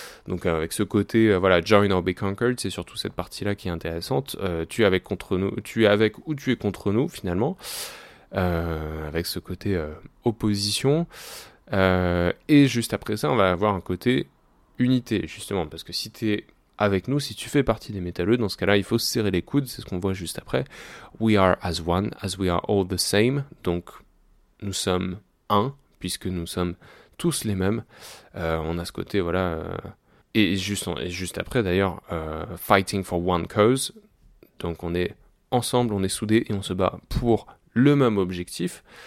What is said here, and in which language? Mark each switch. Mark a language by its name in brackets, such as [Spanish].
[French] Donc avec ce côté, [English] join or be conquered, [French] c'est surtout cette partie-là qui est intéressante, tu es avec ou tu es contre nous finalement, avec ce côté opposition, et juste après ça on va avoir un côté unité justement, parce que si t'es avec nous, si tu fais partie des métalleux, dans ce cas-là, il faut serrer les coudes, c'est ce qu'on voit juste après. [English] We are as one, as we are all the same. [French] Donc, nous sommes un, puisque nous sommes tous les mêmes. On a ce côté, voilà. Et juste après, d'ailleurs, [English] fighting for one cause. [French] Donc, on est ensemble, on est soudés et on se bat pour le même objectif.